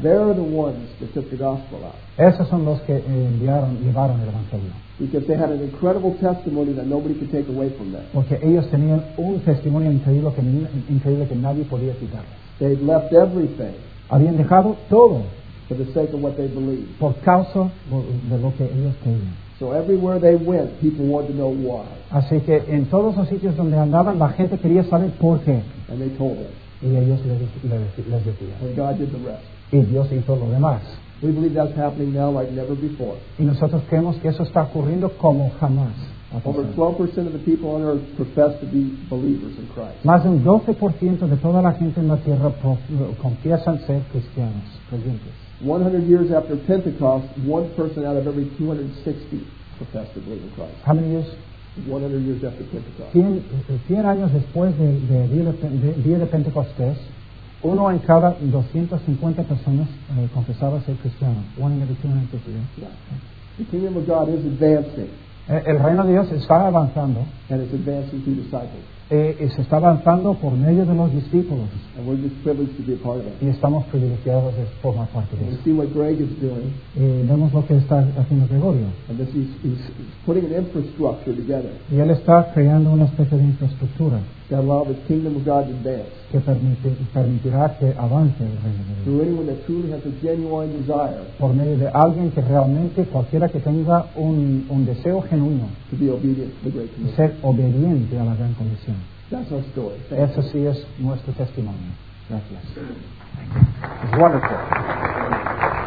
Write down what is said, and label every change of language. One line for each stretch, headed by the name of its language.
English: They're the ones that took the gospel out.
Spanish: Esas son los que enviaron, llevaron el evangelio.
English: Because they had an incredible testimony that nobody could take away from them.
Spanish: Porque ellos tenían un testimonio increíble que nadie podía quitarles.
English: They'd left everything.
Spanish: Habían dejado todo.
English: For the sake of what they believe.
Spanish: Por causa de lo que ellos creían.
English: So everywhere they went, people wanted to know why.
Spanish: Así que en todos los sitios donde andaban, la gente quería saber por qué.
English: And they told them.
Spanish: Y ellos les decían.
English: And God did the rest.
Spanish: Y Dios hizo lo demás.
English: We believe that's happening now like never before.
Spanish: Y nosotros creemos que eso está ocurriendo como jamás.
English: Over 12% of the people on earth profess to be believers in Christ.
Spanish: Más del 12% de toda la gente en la tierra confiesan ser cristianos.
English: 100 years after Pentecost, one person out of every 260 professed to believe in Christ. How many years? 100 years after Pentecost.
Spanish: 100 años después del día de Pentecostés, uno en cada 250 personas confesaba ser cristiano.
English: One in every 250. Yeah. The kingdom of God is advancing.
Spanish: El reino de Dios está avanzando.
English: And it's advancing through disciples.
Spanish: Y se está avanzando por medio de los discípulos.
English: And we're just privileged to be a part of it.
Spanish: Y estamos privilegiados de formar parte de eso.
English: And we see what Greg is doing.
Spanish: Y vemos lo que está haciendo Gregorio.
English: And this he's putting an infrastructure together.
Spanish: Y él está creando una especie de infraestructura.
English: That allow the kingdom of God to advance.
Spanish: Que permitirá que avance el reino de Dios.
English: Through anyone that truly has a genuine desire.
Spanish: Por medio de alguien que realmente, cualquiera que tenga un deseo genuino.
English: To be obedient to the Great Commission.
Spanish: Ser obediente a la Gran Comisión.
English: That's our story.
Spanish: Eso sí es nuestro testimonio. Gracias.
English: It's wonderful.